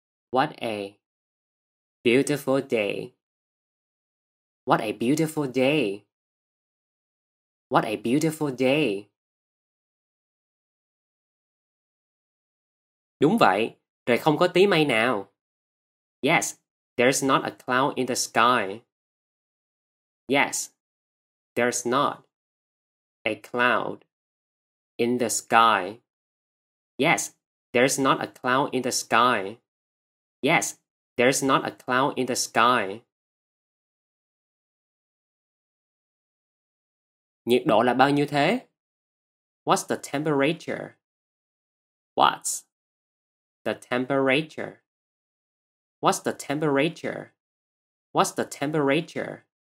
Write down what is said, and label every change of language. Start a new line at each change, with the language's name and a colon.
English: What a beautiful day. What a beautiful day. What a beautiful day.
Vietnamese: Đúng vậy, trời không có tí mây nào.
English: Yes, there's not a cloud in the sky. Yes, there's not a cloud in the sky. Yes, there's not a cloud in the sky. Yes, there's not a cloud in the sky.
Vietnamese: Nhiệt độ là bao nhiêu thế?
English: What's the temperature? What's the temperature? What's the temperature? What's the temperature?